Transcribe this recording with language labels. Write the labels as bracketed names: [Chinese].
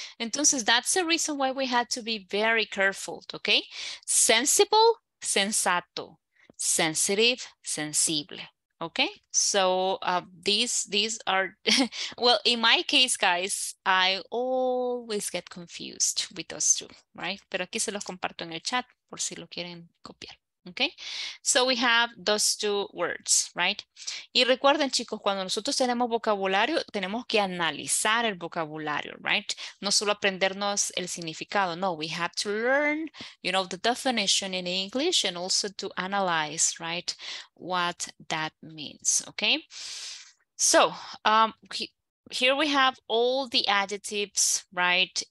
[Spanish] Entonces, [English] that's the reason why we had to be very careful, okay? Sensible, sensato. Sensitive, sensible. Okay, so these are, well, in my case, guys, I always get confused with those two, right? [Spanish] Pero aquí se los comparto en el chat por si lo quieren copiar, okay? [English] So we have those two words, right? [Spanish] Y recuerden, chicos, cuando nosotros tenemos vocabulario, tenemos que analizar el vocabulario, right? No solo aprendernos el significado, no, [English] we have to learn, you know, the definition in English and also to analyze, right? What that means, okay? So here we have all the adjectives, right?